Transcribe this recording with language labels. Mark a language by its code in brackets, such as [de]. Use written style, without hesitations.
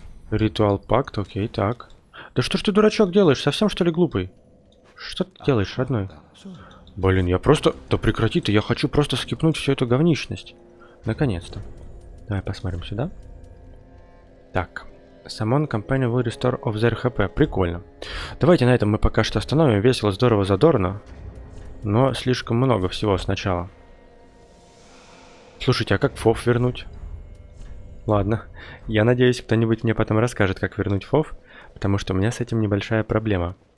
[ru] Ритуал пакт, окей, так. Да что ж ты, дурачок, делаешь? Совсем, что ли, глупый? Что ты делаешь, родной? Блин, я просто... Да прекрати ты, я хочу просто скипнуть всю эту говнищность. Наконец-то. Давай посмотрим сюда. Так. [en] Summon Company will restore of their HP. [ru] Прикольно. Давайте на этом мы пока что остановим. Весело, здорово, задорно. Но слишком много всего сначала. Слушайте, а как ФОВ вернуть? Ладно. Я надеюсь, кто-нибудь мне потом расскажет, как вернуть ФОВ. Потому что у меня с этим небольшая проблема.